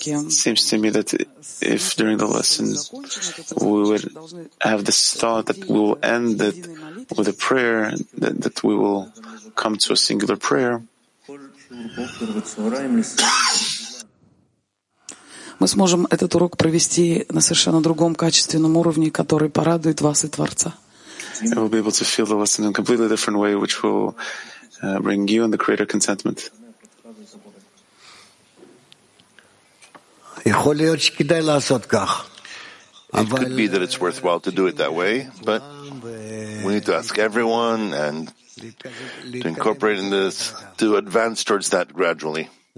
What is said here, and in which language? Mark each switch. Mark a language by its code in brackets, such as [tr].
[en] Seems to me that if during the lesson we would have this thought that we will end it with a prayer, that we will come to a singular prayer. [ru] Мы сможем этот урок провести на совершенно другом качественном уровне, который порадует вас и Творца. [en] We will be able to feel the lesson in a completely different way, which will bring you and the Creator contentment. It could be that it's worthwhile to do it that way, but we need to ask everyone and to incorporate in this, to advance towards that gradually.